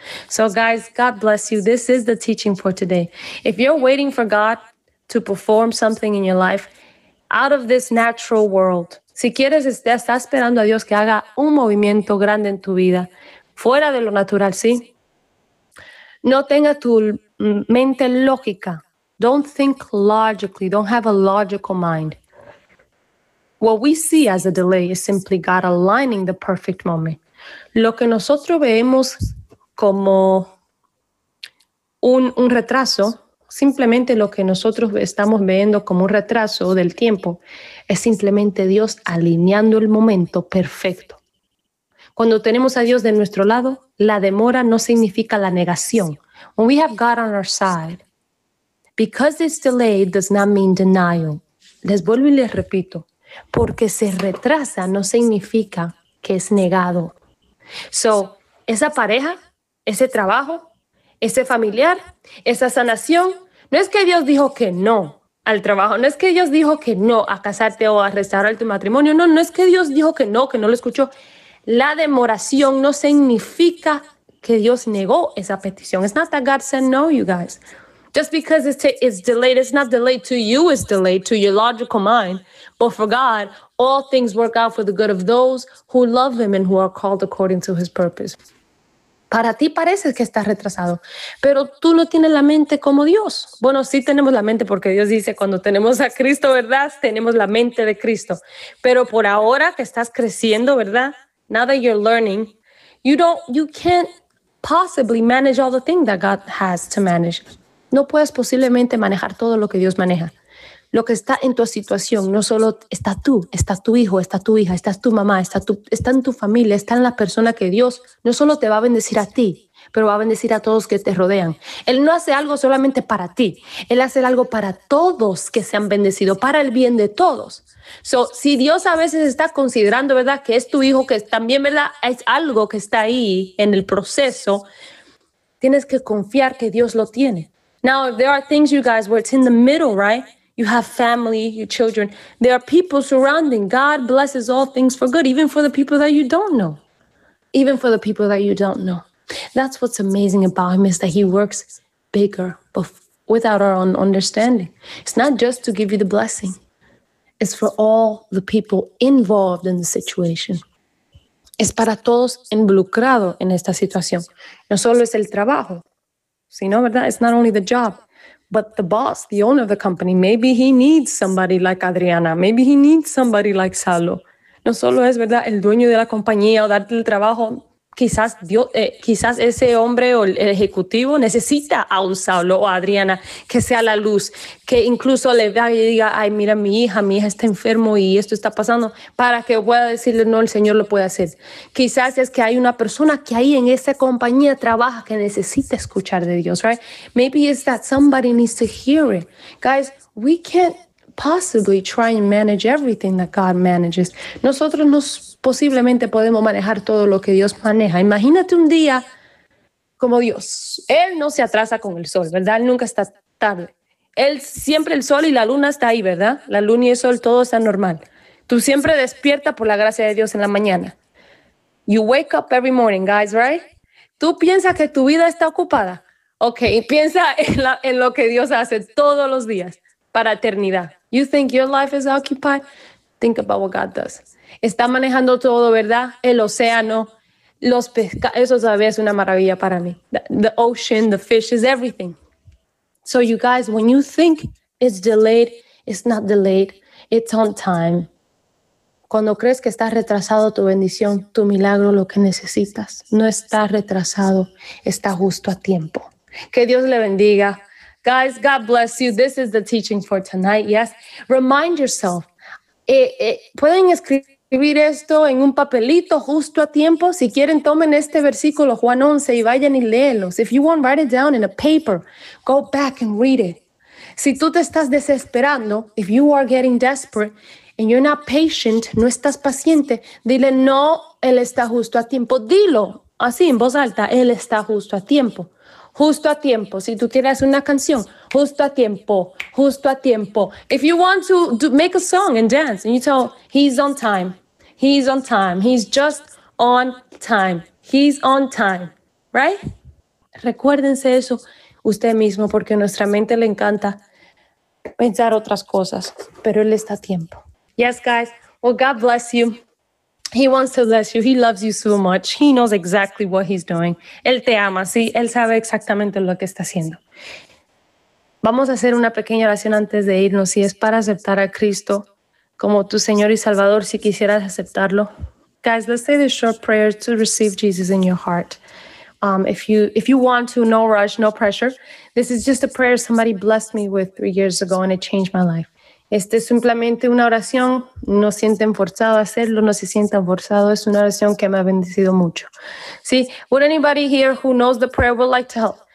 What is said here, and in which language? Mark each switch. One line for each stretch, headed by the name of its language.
English: So guys, God bless you. This is the teaching for today. If you're waiting for God to perform something in your life out of this natural world,
Spanish: si quieres, estás esperando a Dios que haga un movimiento grande en tu vida, fuera de lo natural, ¿sí? No tenga tu mente lógica.
English: Don't think logically. Don't have a logical mind. What we see as a delay is simply God aligning the perfect moment.
Spanish: Lo que nosotros vemos como un retraso, simplemente lo que nosotros estamos viendo como un retraso del tiempo, es simplemente Dios alineando el momento perfecto. Cuando tenemos a Dios de nuestro lado, la demora no significa la negación.
English: When we have God on our side, because this delay does not mean denial.
Spanish: Les vuelvo y les repito. Porque se retrasa no significa que es negado. So, esa pareja, ese trabajo, ese familiar, esa sanación, no es que Dios dijo que no al trabajo, no es que Dios dijo que no a casarte o a restaurar tu matrimonio, no es que Dios dijo que no lo escuchó. La demoración no significa que Dios negó esa petición.
English: It's not that God said no, you guys. Just because it's delayed, it's not delayed to you, it's delayed to your logical mind. But for God, all things work out for the good of those who love him and who are called according to his purpose.
Spanish: Para ti parece que estás retrasado, pero tú no tienes la mente como Dios. Bueno, sí tenemos la mente porque Dios dice cuando tenemos a Cristo, ¿verdad? Tenemos la mente de Cristo. Pero por ahora que estás creciendo, ¿verdad?
English: Now that you're learning, you can't possibly manage all the things that God has to manage.
Spanish: No puedes posiblemente manejar todo lo que Dios maneja. Lo que está en tu situación, no solo está tú, está tu hijo, está tu hija, está tu mamá, está en tu familia, está en la persona que Dios no solo te va a bendecir a ti, pero va a bendecir a todos que te rodean. Él no hace algo solamente para ti. Él hace algo para todos que se han bendecido, para el bien de todos. So, si Dios a veces está considerando, ¿verdad?, que es tu hijo, que también, ¿verdad?, es algo que está ahí en el proceso, tienes que confiar que Dios lo tiene.
English: Now, there are things, you guys, where it's in the middle, right? You have family, your children. There are people surrounding. God blesses all things for good, even for the people that you don't know. Even for the people that you don't know. That's what's amazing about him is that he works bigger without our own understanding. It's not just to give you the blessing. It's for all the people involved in the situation.
Spanish: Es para todos involucrados en esta situación. No solo es el trabajo. See, no, ¿verdad?
English: It's not only the job, but the boss, the owner of the company. Maybe he needs somebody like Adriana. Maybe he needs somebody like Salo.
Spanish: No solo es, ¿verdad?, el dueño de la compañía o darte el trabajo. quizás Dios, quizás ese hombre o el ejecutivo necesita a un Saulo o a Adriana que sea la luz, que incluso le vea y diga, ay, mira, mi hija está enfermo y esto está pasando, para que pueda decirle, no, el Señor lo puede hacer. Quizás es que hay una persona que ahí en esa compañía trabaja que necesita escuchar de Dios, right?
English: Maybe it's that somebody needs to hear it. Guys, we can't possibly try and manage everything that God manages.
Spanish: Nosotros no posiblemente podemos manejar todo lo que Dios maneja. Imagínate un día como Dios. Él no se atrasa con el sol, ¿verdad? Él nunca está tarde. Él siempre, el sol y la luna está ahí, ¿verdad? La luna y el sol, todo está normal. Tú siempre despierta por la gracia de Dios en la mañana.
English: You wake up every morning, guys, right?
Spanish: Tú piensas que tu vida está ocupada. Okay, piensa en lo que Dios hace todos los días. Para eternidad.
English: You think your life is occupied? Think about what God does.
Spanish: Está manejando todo, ¿verdad? El océano, los pescados. Eso todavía es una maravilla para mí.
English: The ocean, the fish, is everything. So you guys, when you think it's delayed, it's not delayed. It's on time.
Spanish: Cuando crees que está retrasado tu bendición, tu milagro, lo que necesitas, no está retrasado, está justo a tiempo. Que Dios le bendiga.
English: Guys, God bless you. This is the teaching for tonight. Yes. Remind yourself.
Spanish: Pueden escribir esto en un papelito justo a tiempo. Si quieren, tomen este versículo, Juan 11, y vayan y léelos.
English: If you want, write it down in a paper. Go back and read it.
Spanish: Si tú te estás desesperando,
English: if you are getting desperate, and you're not patient,
Spanish: no estás paciente, dile, no, Él está justo a tiempo. Dilo así, en voz alta, Él está justo a tiempo. Justo a tiempo. Si tú quieres una canción, justo a tiempo, justo a tiempo.
English: If you want to make a song and dance, and you tell, he's on time, he's on time, he's just on time, he's on time, right?
Spanish: Recuérdense eso usted mismo, porque a nuestra mente le encanta pensar otras cosas, pero Él está a tiempo.
English: Yes, guys. Well, God bless you. He wants to bless you. He loves you so much. He knows exactly what he's doing.
Spanish: Él te ama, sí. Él sabe exactamente lo que está haciendo. Vamos a hacer una pequeña oración antes de irnos. Si es para aceptar a Cristo como tu Señor y Salvador, si quisieras aceptarlo.
English: Guys, let's say this short prayer to receive Jesus in your heart. If you want to, no rush, no pressure. This is just a prayer somebody blessed me with 3 years ago and it changed my life.
Spanish: Este es simplemente una oración, no sienten forzado a hacerlo, no se sientan forzado, es una oración que me ha bendecido mucho. ¿Sí?
English: Would anybody here who knows the prayer would like to help?